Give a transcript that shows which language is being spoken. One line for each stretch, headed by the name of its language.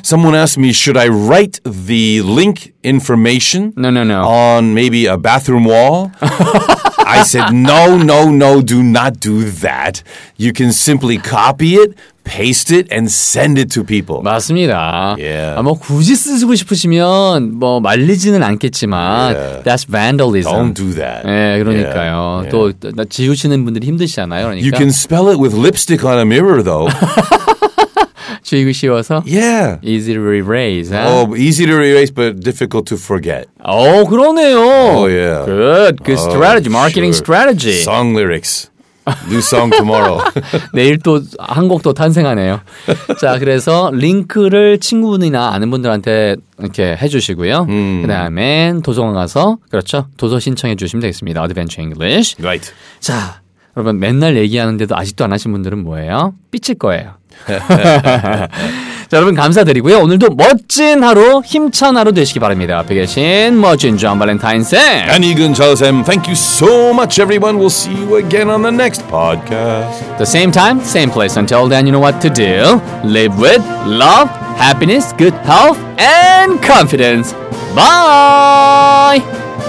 English: Someone asked me, should I write the link information? No, no, no. On maybe a bathroom wall? I said, no, no, no, do not do that. You can simply copy it, paste it, and send it to people.
Korean: 맞습니다.
English: Yeah.
Korean: 아, 뭐 굳이 쓰고 싶으시면 뭐 말리지는 않겠지만
English: yeah. That's vandalism. Don't do that.
Korean: 예, 그러니까요. Yeah. 또 나 지우시는 분들이 힘드시잖아요.
English: You can spell it with lipstick on a mirror, though.
Korean: 지우기 쉬워서?
English: Yeah. Easy to erase. Huh? Oh, easy to erase, but difficult to forget.
Korean: Oh, 그러네요.
English: Oh, yeah. Good. Good oh, strategy. Marketing sure. strategy. Song lyrics. New song tomorrow.
Korean: 내일 또 한 곡 더 탄생하네요. 자, 그래서 링크를 친구분이나 아는 분들한테 이렇게 해주시고요. 그 다음에 도서관 가서, 그렇죠. 도서 신청해 주시면 되겠습니다. Adventure English. Right. 자, 여러분 맨날 얘기하는데도 아직도 안 하신 분들은 뭐예요? 삐칠 거예요. 자, 여러분 감사드리고요. 오늘도 멋진 하루, 힘찬 하루 되시기 바랍니다. 앞에 계신 멋진 존 발렌타인쌤. 안 익은 저쌤.
English: Thank you so much, everyone. We'll see you again on the next podcast. The same time, same place. Until then, you know what to do. Live with love, happiness, good health, and confidence. Bye!